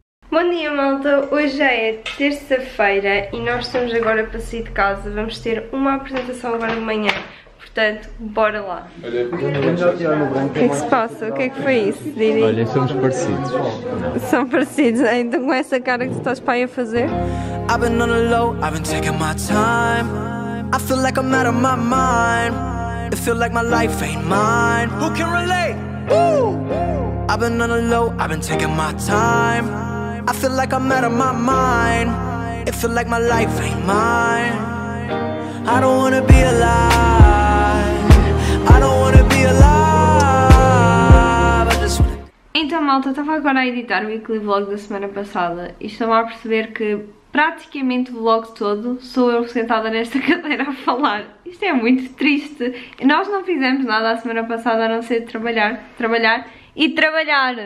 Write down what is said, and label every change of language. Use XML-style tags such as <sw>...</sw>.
<pt>Bom dia, malta! Hoje já é terça-feira e nós estamos agora para sair de casa. Vamos ter uma apresentação agora de manhã, portanto, bora lá! O que é que se passa? O que é que foi isso, Didi? Olha, somos parecidos. Não. São parecidos? Então com essa cara que tu estás para aí a fazer?</pt> <en>I've been on a low, I've been taking my time. I feel like I'm out of my mind. I feel like my life ain't mine. Who can relate? I've been on a low, I've been taking my time. I feel like I'm out of my mind. It feel like my life ain't mine. I don't wanna be alive. I don't wanna be alive. I just wanna...</en> <pt>Então, malta, eu estava agora a editar o</pt> <en>weekly vlog</en> <pt>da semana passada e estou-me a perceber que praticamente o vlog todo sou eu sentada nesta cadeira a falar. Isto é muito triste. Nós não fizemos nada a semana passada a não ser trabalhar. E trabalhar!</pt>